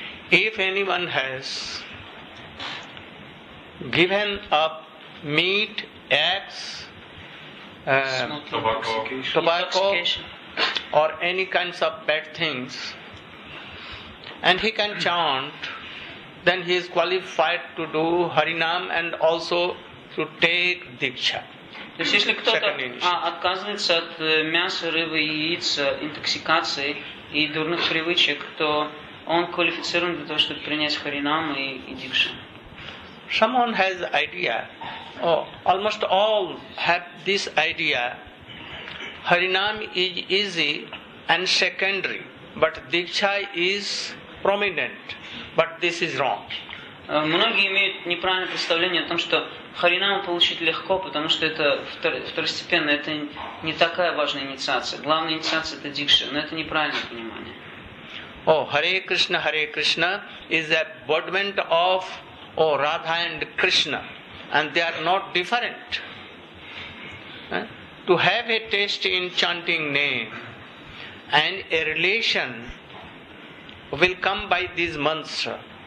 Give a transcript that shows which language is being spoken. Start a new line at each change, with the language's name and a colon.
English: If anyone has given up meat, eggs, tobacco, or any kinds of bad things, and he can chant, then he is qualified to do Harinam and also to take Diksha.
Russian: То есть, если кто-то отказывается от мяса, рыбы, яиц, интоксикации и дурных привычек, то он квалифицирован для того, чтобы принять Харинам и Дикшу.
English: Someone has idea. Almost all have this idea. Harinam is easy and secondary, but Diksha is prominent. But this is wrong.
Russian: Многие имеют неправильное представление о том, что Харинам получить легко, потому что это второстепенно, это не такая важная инициация. Главная инициация это Дикша, но это неправильное понимание.
English: Hare Krishna is a embodiment of Radha and Krishna, and they are not different. To have a taste in chanting name and a relation will come by these mantras.